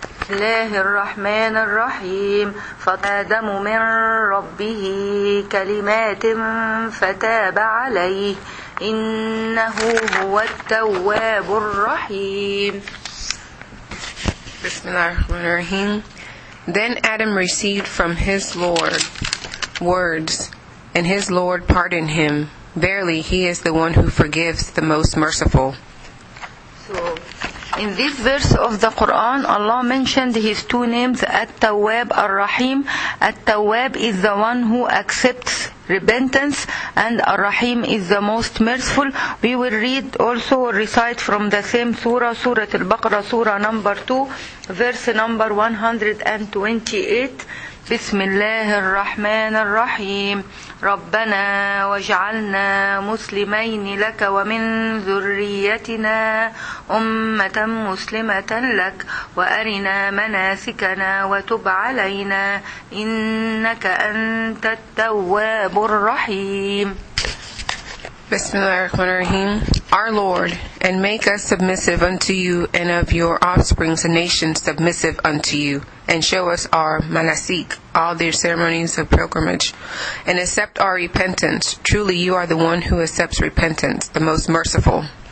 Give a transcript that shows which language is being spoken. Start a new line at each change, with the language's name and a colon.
Arabic: بسم الله الرحمن الرحيم فتادم من ربه كلمات فتاب عليه إنه هو التواب الرحيم. بسم الله الرحمن الرحيم.
English: Then Adam received from his Lord words, and his Lord pardoned him. Verily, he is the one who forgives the most merciful. So, in this verse of the Quran, Allah mentioned His two names, At-Tawwab Ar-Rahim. At-Tawwab is the one who accepts repentance, and Ar-Rahim is the most merciful. We will read also or recite from the same surah, Surah Al-Baqarah, Surah number 2, verse number 128.
Arabic: بسم الله الرحمن الرحيم ربنا واجعلنا مسلمين لك ومن ذريتنا أمة مسلمة لك وأرنا مناسكنا وتب علينا إنك أنت التواب الرحيم. بسم الله الرحمن الرحيم.
English: Our Lord, and make us submissive unto you, and of your offspring a nation submissive unto you, and show us our manasik, all their ceremonies of pilgrimage, and accept our repentance. Truly, you are the one who accepts repentance, the most merciful.